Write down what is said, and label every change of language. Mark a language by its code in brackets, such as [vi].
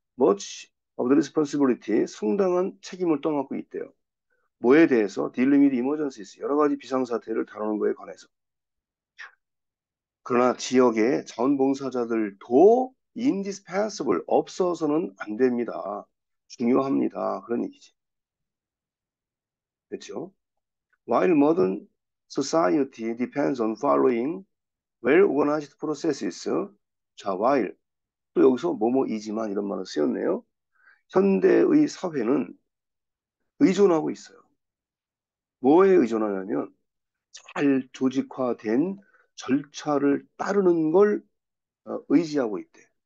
[en] Much of the responsibility, [ko] 상당한 책임을 떠맡고 있대요. 뭐에 대해서? [en] Dealing with emergencies, [ko] 여러 가지 비상사태를 다루는 거에 관해서. 그러나 지역의 자원봉사자들도 indispensable, 없어서는 안 됩니다. 중요합니다. 그런 얘기지. 그렇죠? [en] While modern society depends on following well-organized processes. [ko] 자, while. 또 여기서 뭐뭐이지만 이런 말을 쓰였네요. 현대의 사회는 의존하고 있어요. 뭐에 의존하냐면 잘 조직화된 절차를 따르는 걸 의지하고 있대.